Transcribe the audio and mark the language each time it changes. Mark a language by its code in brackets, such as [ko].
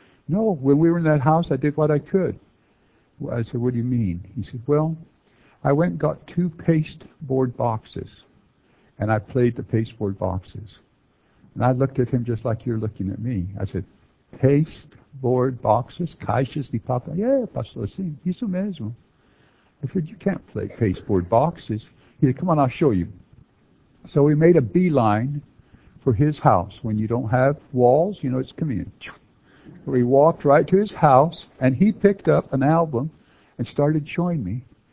[en] 'No, when we were in that house, I did what I could.' I said, 'What do you mean?' He said, 'Well, I went and got two pasteboard boxes and I played the pasteboard boxes.' And I looked at him just like you're looking at me. I said, 'Pasteboard boxes? [pt] Caixas de papel? [en] Yeah, [pt] pastor, sim, isso mesmo.' [en] I said, 'You can't play pasteboard boxes.' He said, 'Come on, I'll show you.' So we made a beeline for his house. When you don't have walls, you know, it's convenient. We walked right to his house and he picked up an album and started showing me.